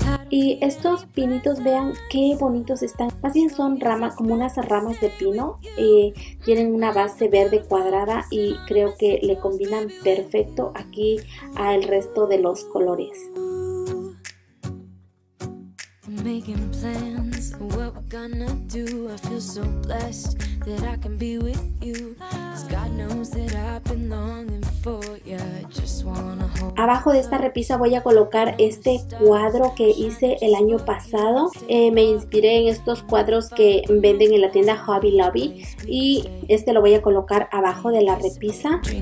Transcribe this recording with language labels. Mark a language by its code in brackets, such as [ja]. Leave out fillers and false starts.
[es] Y estos pinitos, vean qué bonitos están. Más bien son ramas, como unas ramas de pino. Tienen una base verde cuadrada y creo que le combinan perfecto aquí al resto de los colores. [en] Ooh, making plans, what we're gonna do, I feel so blessed. that I can be with you. God knows that I've been longing for you. Just wanna hold. [es] Abajo de esta repisa voy a colocar este cuadro que hice el año pasado. Me inspiré en estos cuadros que venden en la tienda Hobby Lobby y este lo voy a colocar abajo de la repisa.